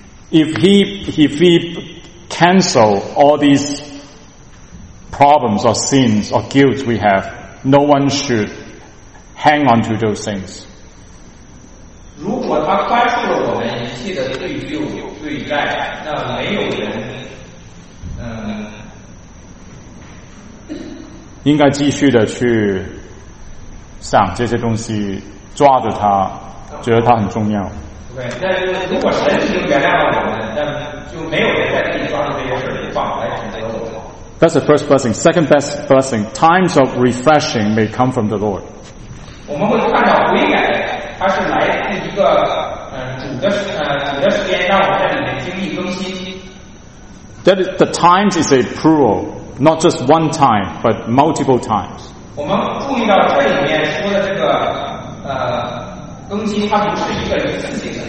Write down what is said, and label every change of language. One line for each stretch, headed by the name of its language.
English: If he cancel all these problems or sins or guilt we have, no one should hang on to those things.
Chinese: 如果他宽恕了我们一切的罪疚、罪债，那没有人，应该继续的去想这些东西，抓着它，觉得它很重要。对，那如果神已经原谅了我们，那就没有人在自己抓住这些事情放来谴责我们。
English: That's the first blessing. Second best blessing. Times of refreshing may come from the Lord.
Chinese: 我们会看到悔改，它是来自一个主的时间，让我们在里面经历更新。
English: That is, the times is a plural, not just one time, but multiple times.
Chinese: 我们注意到这里面说的这个更新，它不是一个一次性。